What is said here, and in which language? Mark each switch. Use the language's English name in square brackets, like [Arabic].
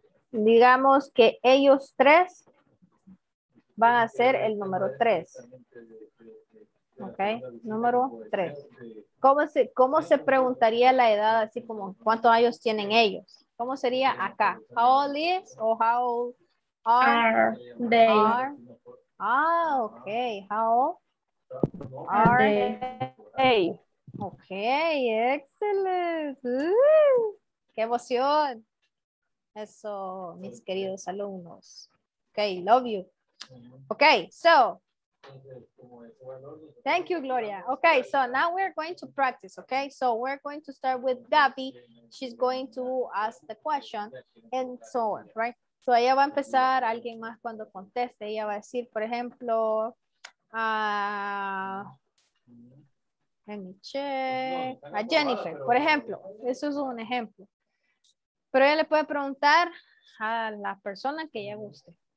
[Spanish] Digamos que ellos tres van a ser el número 3, okay. Número 3, ¿Cómo se preguntaría la edad así como cuántos años tienen ellos? ¿Cómo sería acá? [English] How old is o how old are they? Ah, okay. How are they? Okay, excellent. [Spanish] Qué emoción. Eso, mis queridos alumnos. [English] Okay, love you. Okay, so. Thank you, Gloria. Okay, so now we're going to practice, okay? So we're going to start with Gabby. She's going to ask the question and so on, right? [Spanish] So ella va a empezar, alguien más cuando conteste, ella va a decir, por ejemplo, a Jennifer, por ejemplo, eso es un ejemplo. Pero ella le puede preguntar a la persona que ella guste.